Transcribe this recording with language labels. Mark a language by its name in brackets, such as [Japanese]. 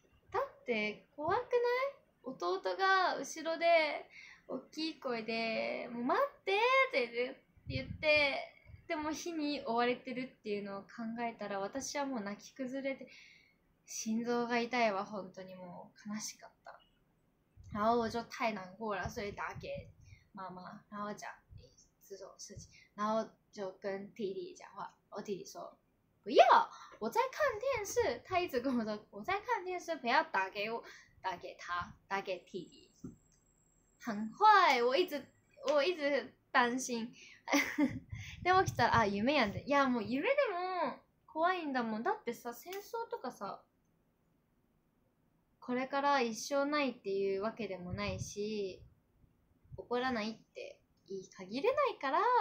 [Japanese] だって怖くない？弟が後ろで大きい声で「もう待って！」って言って、でも火に追われてるっていうのを考えたら私はもう泣き崩れて心臓が痛いわ。本当にもう悲しかった。 [Chinese] 然后我就太难过了，所以打给妈妈，然后讲这种事情，然后就跟弟弟讲话。我弟弟说不要，我在看电视。他一直跟我说我在看电视，不要打给我，打给他，打给弟弟。很坏，我一直担心。 [Japanese] でも来たら夢やんで。いやもう夢でも怖いんだもん。だってさ、戦争とかさ、これから一生ないっていうわけでもないし、起こらないって言い限れないから。